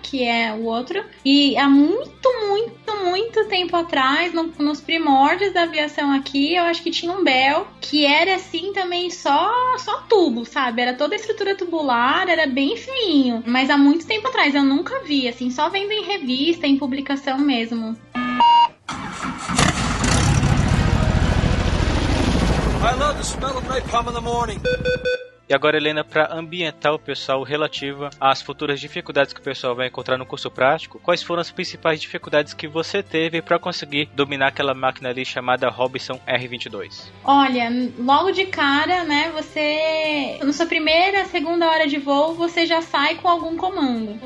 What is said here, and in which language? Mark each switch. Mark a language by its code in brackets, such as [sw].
[pt] Que é o outro. E há muito, muito, muito tempo atrás, nos primórdios da aviação aqui, eu acho que tinha um Bell, que era assim também só tubo, sabe? Era toda a estrutura tubular, era bem fininho. Mas há muito tempo atrás, eu nunca vi, assim, só vendo em revista, em publicação mesmo. [en] I love the smell of napalm in the morning. [pt] E agora, Helena, para ambientar o pessoal relativa às futuras dificuldades que o pessoal vai encontrar no curso prático, quais foram as principais dificuldades que você teve para conseguir dominar aquela máquina ali chamada Robinson R22? Olha, logo de cara, né, você, na sua primeira, segunda hora de voo, você já sai com algum comando.